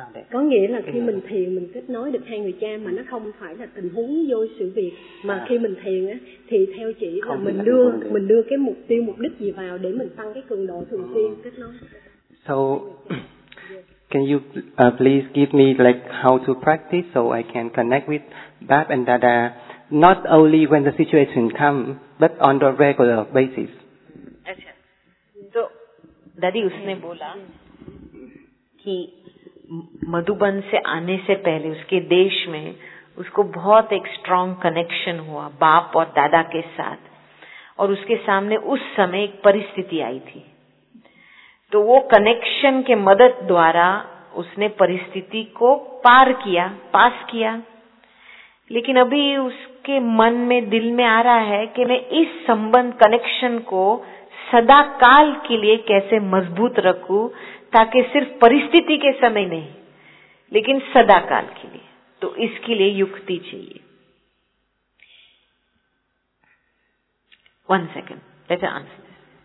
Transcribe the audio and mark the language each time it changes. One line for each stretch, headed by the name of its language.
Vietnamese: Có nghĩa là khi mình thiền mình kết nối được hai người cha, mà nó không phải là tình huống vô sự việc, mà khi mình thiền á thì theo chị là mình đưa cái mục tiêu mục đích gì vào để mình tăng cái cường độ thường xuyên kết nối.
English: So can you please give me like how to practice so I can connect with Bab and Dada not only when the situation comes but on the regular basis.
Hindi: Acha. So Dadi usne bola ki Madhuban se aane se pehle uske desh mein usko bahut ek strong connection hua Bab aur Dada ke sath, और उसके सामने उस समय एक परिस्थिति आई थी, तो वो कनेक्शन के मदद द्वारा उसने परिस्थिति को पार किया, पास किया। लेकिन अभी उसके मन में, दिल में आ रहा है कि मैं इस संबंध, कनेक्शन को सदा काल के लिए कैसे मजबूत रखूं, ताकि सिर्फ परिस्थिति के समय नहीं लेकिन सदा काल के लिए। तो इसके लिए युक्ति चाहिए।
English: One second, let her answer this.